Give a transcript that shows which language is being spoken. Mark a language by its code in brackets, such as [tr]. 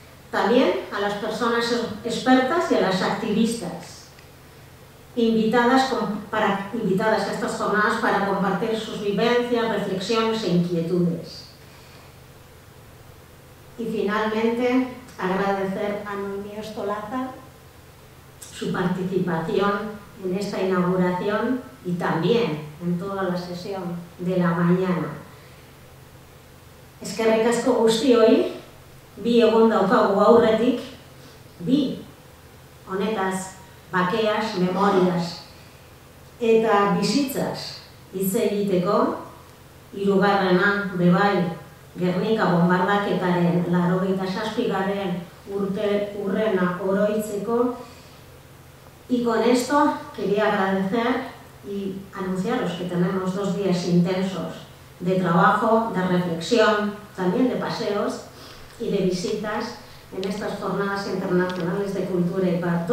[es] También a las personas expertas y a las activistas invitadas a estas jornadas para compartir sus vivencias, reflexiones e inquietudes. Y finalmente, agradecer a Noemí Ostolaza su participación en esta inauguración y también en toda la sesión de la mañana. [eu] Eskerrik asko guztioi, bi egon daukagu aurretik, bi, honetaz, bakeaz, memoriaz, eta bizitzaz, hitz egiteko, hirugarrena, bebai, Gernika bombardaketaren, 87. Urte urrena oroitzeko. [es] Y con esto quería agradecer y anunciaros que tenemos dos días intensos de trabajo, de reflexión, también de paseos y de visitas en estas jornadas internacionales de cultura y paz.